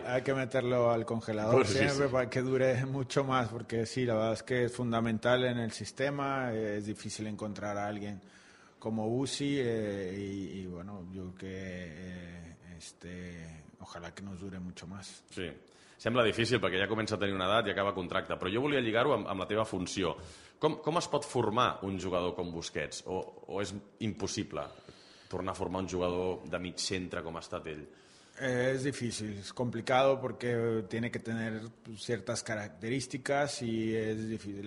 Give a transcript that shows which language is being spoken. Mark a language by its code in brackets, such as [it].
[es] Hay que meterlo al congelador siempre para que dure mucho más, porque sí, la verdad es que es fundamental en el sistema, es difícil encontrar a alguien como Busi, y bueno, yo creo que Ojalà que no dure mucho más. Sí. [ca] Sembla difícil perquè ja comença a tenir una edat i acaba contracte, però jo volia lligar-ho amb la teva funció. Com es pot formar un jugador com Busquets? O és impossible tornar a formar un jugador de mig centre com ha estat ell? [es] Es difícil, es complicado porque tiene que tener ciertas características y es difícil.